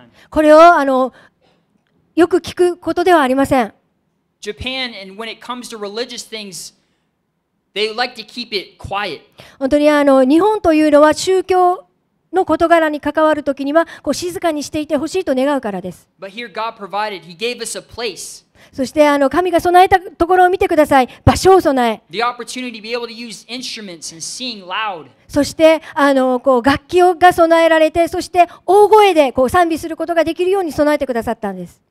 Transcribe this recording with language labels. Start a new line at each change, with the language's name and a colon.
Japanese: これをあのよく聞くことではありません。
English: Japan, and when it comes to religious things, they like to keep it quiet.
Japanese: 本当にあの日本というのは宗教の事柄に関わるときにはこう静かにしていてほしいと願うからです。
English: But here God provided, He gave us a place.
Japanese: そしてあの神が備えたところを見てください。場所を備え。
English: The opportunity to be able to use instruments and sing loud.
Japanese: そしてあのこう楽器が備えられて、そして大声でこう賛美することができるように備えてくださったんです。